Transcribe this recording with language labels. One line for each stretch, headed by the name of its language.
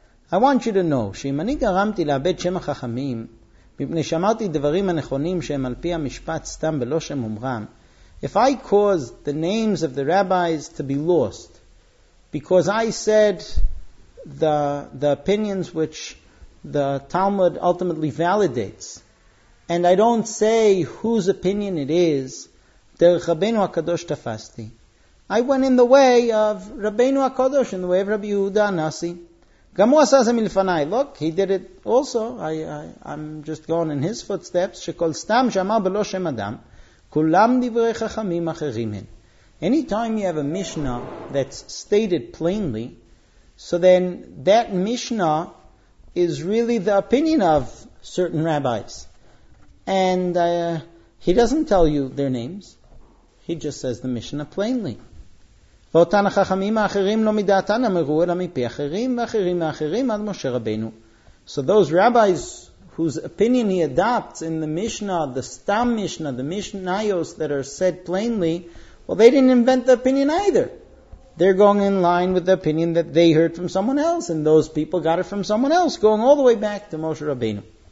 English: I want you to know,
Hebrew: שאם אני גרמתי לאבד שם החכמים, מפני שאמרתי דברים הנכונים שהם על פי המשפט סתם ולא שם אומרם,
English: if I caused the names of the rabbis to be lost, because I said the opinions which the Talmud ultimately validates, and I don't say whose opinion it is,
Hebrew: דרך רבנו הקדוש תפסתי.
English: I went in the way of רבנו הקדוש, in the way of רבי יהודה הנשיא.
Hebrew: גם הוא עשה זה מלפניי.
English: Look, he did it also. I'm just going in his footsteps.
Hebrew: שכל סתם שאמר בלא שם אדם, כולם דברי חכמים אחרים הן.
English: Anytime you have a Mishnah that's stated plainly, so then that Mishnah is really the opinion of certain rabbis. And he doesn't tell you their names. He just says the Mishnah plainly.
Hebrew: ואותן החכמים האחרים לא מדעתן אמרו אלא מפי אחרים ואחרים מאחרים עד משה רבנו.
English: So those rabbis whose opinion he adopts in the Mishnah, the Stam Mishnah, the Mishnayos that are said plainly, well, they didn't invent the opinion either. They're going in line with the opinion that they heard from someone else, and those people got it from someone else, going all the way back to Moshe Rabbeinu.